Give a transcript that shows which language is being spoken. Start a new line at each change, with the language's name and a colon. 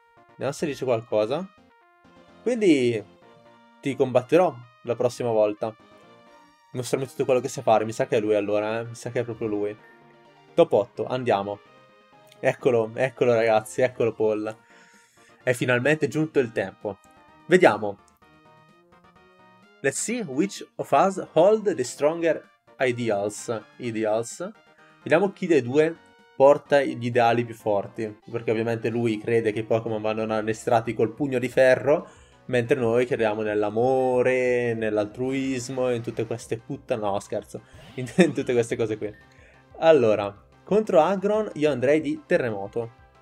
Italian: Vediamo se dice qualcosa. Quindi ti combatterò la prossima volta. Mostrami tutto quello che sa fare. Mi sa che è lui allora, eh. Mi sa che è proprio lui. Top 8, andiamo. Eccolo, eccolo ragazzi, eccolo Paul. È finalmente giunto il tempo. Vediamo.
English: Let's see which of us hold the stronger ideals.
Italian: Vediamo chi dei due porta gli ideali più forti, perché ovviamente lui crede che i Pokémon vanno addestrati col pugno di ferro, mentre noi crediamo nell'amore, nell'altruismo, in tutte queste puttane. No, scherzo, in tutte queste cose qui. Allora, contro Aggron io andrei di terremoto.